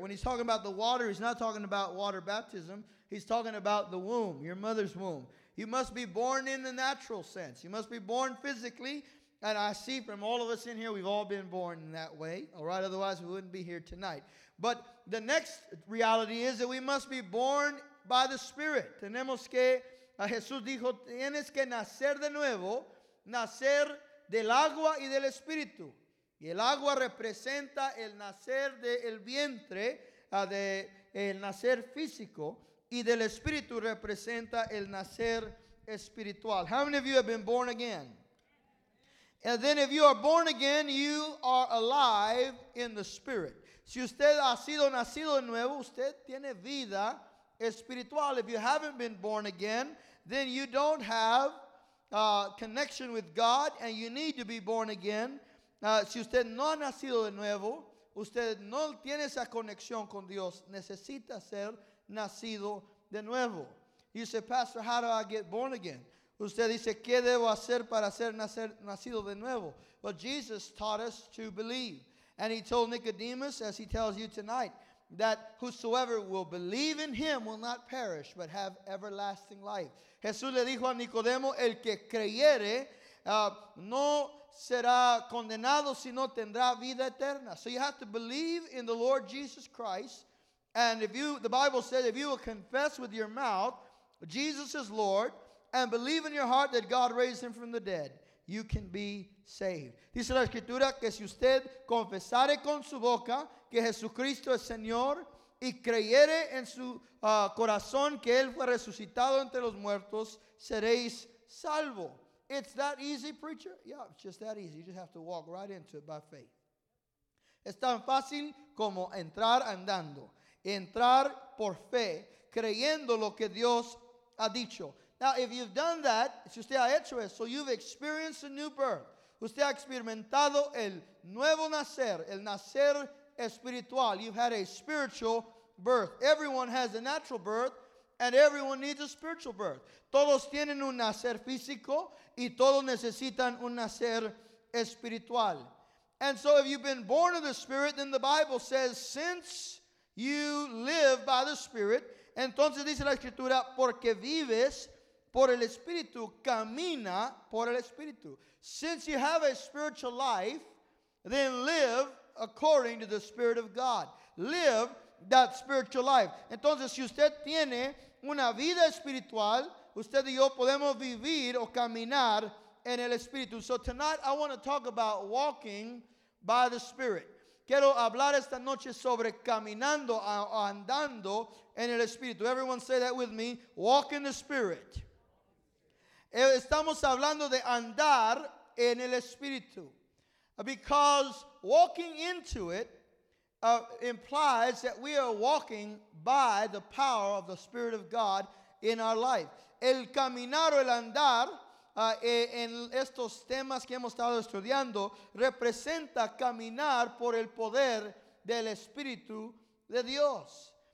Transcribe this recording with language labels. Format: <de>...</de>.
<en>When he's talking about the water, he's not talking about water baptism. He's talking about the womb, your mother's womb. You must be born in the natural sense. You must be born physically. And I see from all of us in here, we've all been born in that way. All right, otherwise we wouldn't be here tonight. But the next reality is that we must be born by the Spirit.</en> <es>Tenemos que... Jesús dijo, tienes que nacer de nuevo, nacer del agua y del espíritu. Y el agua representa el nacer del vientre, el nacer físico. Y del espíritu representa el nacer espiritual.</es> <en>How many of you have been born again? And then if you are born again, you are alive in the Spirit.</en> <es>Si usted ha sido nacido de nuevo, usted tiene vida espiritual.</es> <en>If you haven't been born again, then you don't have connection with God, and you need to be born again.</en> <es>Si usted no ha nacido de nuevo, usted no tiene esa conexión con Dios. Necesita ser nacido de nuevo.</es> <en>You say, Pastor, how do I get born again?</en> <es>Usted dice, ¿qué debo hacer para ser nacido de nuevo?</es> <en>But Jesus taught us to believe. And he told Nicodemus, as he tells you tonight, that whosoever will believe in him will not perish, but have everlasting life.</en> <es>Jesús le dijo a Nicodemo, el que creyere no será condenado, sino tendrá vida eterna.</es> <en>So you have to believe in the Lord Jesus Christ. And if you, the Bible says, if you will confess with your mouth, Jesus is Lord, and believe in your heart that God raised him from the dead, you can be saved.</en> <es>Dice la Escritura que si usted confesare con su boca que Jesucristo es Señor y creyere en su corazón que él fue resucitado entre los muertos, seréis salvo.</es> <en>It's that easy, preacher? Yeah, it's just that easy. You just have to walk right into it by faith.</en> <es>Es tan fácil como entrar andando. Entrar por fe, creyendo lo que Dios ha dicho.</es> <en>Now, if you've done that,</en> <es>si usted ha hecho eso,</es> <en>you've experienced a new birth.</en> <es>Usted ha experimentado el nuevo nacer, el nacer espiritual.</es> <en>You've had a spiritual birth. Everyone has a natural birth, and everyone needs a spiritual birth.</en> <es>Todos tienen un nacer físico, y todos necesitan un nacer espiritual.</es> <en>And so if you've been born of the Spirit, then the Bible says, since you live by the Spirit,</en> <es>entonces dice la Escritura, porque vives por el Espíritu, camina por el Espíritu.</es> <en>Since you have a spiritual life, then live according to the Spirit of God. Live that spiritual life.</en> <es>Entonces, si usted tiene una vida espiritual, usted y yo podemos vivir o caminar en el Espíritu.</es> <en>So tonight, I want to talk about walking by the Spirit.</en> <es>Quiero hablar esta noche sobre caminando o andando en el Espíritu.</es> <en>Everyone say that with me. Walk in the Spirit.</en> <es>Estamos hablando de andar en el Espíritu.</es> <en>Because walking into it implies that we are walking by the power of the Spirit of God in our life.</en> <es>El caminar o el andar en estos temas que hemos estado estudiando representa caminar por el poder del Espíritu de Dios.</es>